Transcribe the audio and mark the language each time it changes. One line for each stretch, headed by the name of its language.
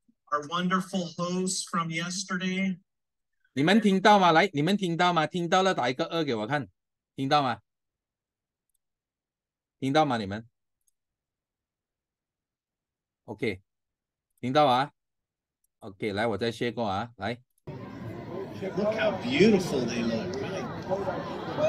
English: Our wonderful host from yesterday.
Chinese: 你们听到吗？来，你们听到吗？听到了打一个二给我看，听到吗？听到吗？你们 ？OK， 听到啊 ？OK， 来，我再share过啊，来。
English: Look how beautiful they look, right?